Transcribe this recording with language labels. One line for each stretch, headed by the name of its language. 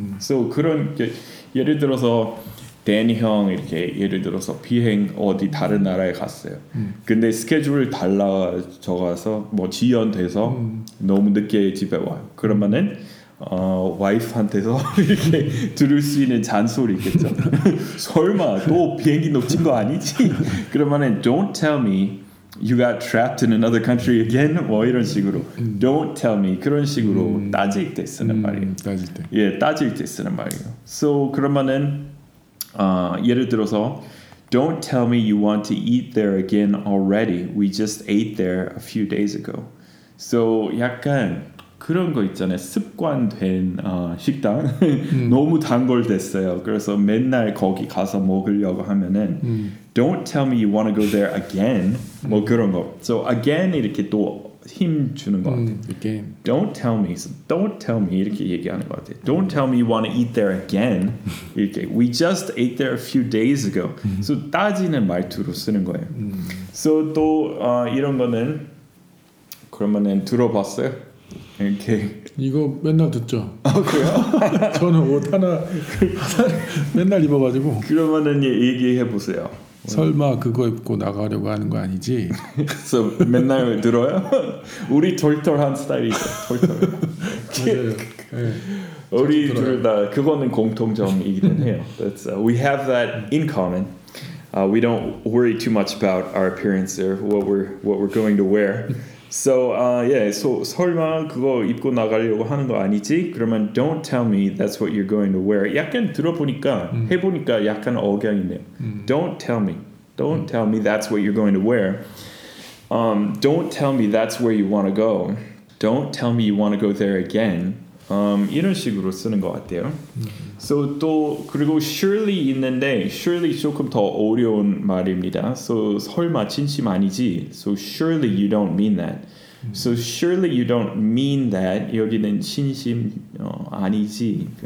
Korean: So 그런 예를 들어서 데니 형 이렇게 예를 들어서 비행 어디 다른 나라에 갔어요. 근데 스케줄을 달라져서 뭐 지연돼서 너무 늦게 집에 와. 그러면은 와이프한테서 이렇게 들을 수 있는 잔소리겠죠. 설마 또 비행기 놓친 거 아니지?
English: 그러면은 don't tell me you got trapped in another country again.
Korean: 뭐 이런 식으로 don't tell me 그런 식으로 따질 때 쓰는 말이에요. 따질 때. 예, 따질 때 쓰는 말이에요.
English: So 그러면은 예를 들어서 don't tell me you want to eat there again already. We just ate there a few days ago.
Korean: So 약간 그런 거 있잖아요. 습관된 식당 너무 단골됐어요. 그래서 맨날 거기 가서 먹으려고
English: 하면은 Don't tell me you want to go there again. 뭐 그런 거.
Korean: So again 이렇게 또 힘 주는 거 같아요.
English: Again. Don't tell me. So don't tell me 이렇게 얘기하는 거 같아요. Don't tell me you want to eat there again.
Korean: 이렇게
English: We just ate there a few days ago.
Korean: So 따지는 말투로 쓰는 거예요. So 또 이런 거는 그러면은 들어봤어요? 이렇게 이거 맨날 듣죠. 아 그래요? 저는 옷 하나 맨날 입어가지고 그러면은 얘기해 보세요. 설마 그거 입고 나가려고 하는 거 아니지? 그래서 맨날 들어요? 우리 털털한 스타일이죠. 털털. 맞아요. 네. 우리 둘 다 그거는 공통점이긴 해요.
English: That's we have that in common. We don't worry too much about our appearance or what we're going to wear.
Korean: So, yeah, so 설마 그거 입고 나가려고 하는 거 아니지?
English: 그러면 don't tell me that's what you're going to wear.
Korean: 약간 들어보니까, 해보니까 약간 억양이네요.
English: Don't tell me. Don't tell me that's what you're going to wear. Don't tell me that's where you want to go. Don't tell me you want to go there again.
Korean: 이런 식으로 쓰는 것 같아요. So 또 그리고 surely 있는데 surely 조금 더 어려운 말입니다.
English: So
Korean: 설마 진심 아니지?
English: So surely you don't mean that. So surely you don't mean that.
Korean: 여기는 진심 아니지.